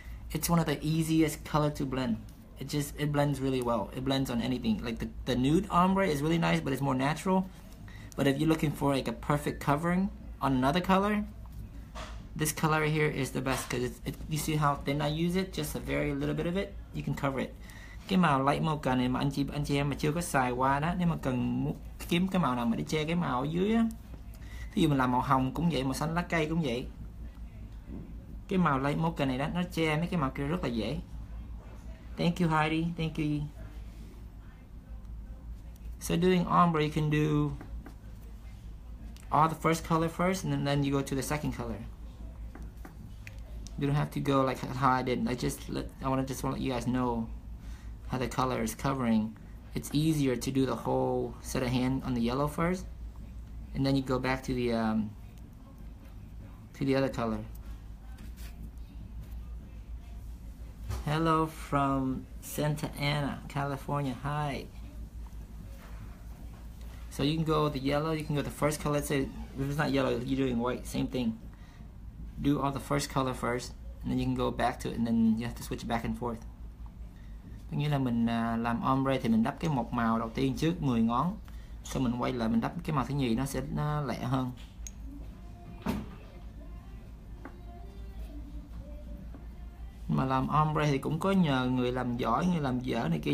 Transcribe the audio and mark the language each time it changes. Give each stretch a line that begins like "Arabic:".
English: It's one of the easiest color to blend. It blends really well. It blends on anything. Like the nude ombre is really nice, but it's more natural. But if you're looking for like a perfect covering on another color, this color here is the best because you see how thin I use it? Just a very little bit of it, you can cover it.
Vietnamese: Cái màu Light Mocha này mà anh chị em mà chưa có xài qua đó, nếu mà cần kiếm cái màu nào mà để che cái màu ở dưới á, ví dụ mình làm màu hồng cũng vậy, màu xanh lá cây cũng vậy, cái màu Light Mocha này đó nó che mấy cái màu kia rất là dễ.
English: Thank you Heidi, thank you. So doing ombre, you can do all the first color first and then you go to the second color. You don't have to go like how I did. I just want to let you guys know how the color is covering. It's easier to do the whole set of hand on the yellow first and then you go back to the other color. Hello from Santa Ana, California. Hi. So you can go the yellow, you can go the first color. Let's say if it's not yellow, you're doing white, same thing. Do all the first color first and then you can go back to it and then you have to switch back and forth.
Vietnamese: Có nghĩa là mình làm ombre thì mình đắp cái một màu đầu tiên trước 10 ngón. Sau mình quay lại mình đắp cái màu thứ nhì nó sẽ lẹ hơn. Mà làm ombre thì cũng có nhờ người làm giỏi, người làm dở này kia.